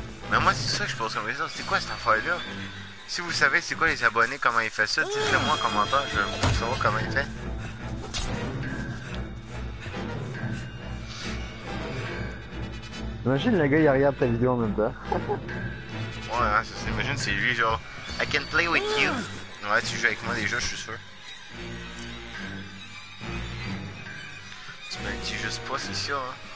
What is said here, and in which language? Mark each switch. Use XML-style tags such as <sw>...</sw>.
<fr>Mais moi, c'est ça que je pose comme question. C'est quoi cette affaire-là? Si vous savez c'est quoi les abonnés, comment ils font ça, dites-le moi en commentaire, je veux savoir comment ils font. Imagine le gars, il regarde ta vidéo en même temps. Ouais, hein, c'est ça. Imagine, c'est lui, genre,</fr> <en>I can play with you.</en> <fr>Ouais, tu joues avec moi déjà, je suis sûr. Tu me le dis juste pas, c'est sûr, hein.</fr>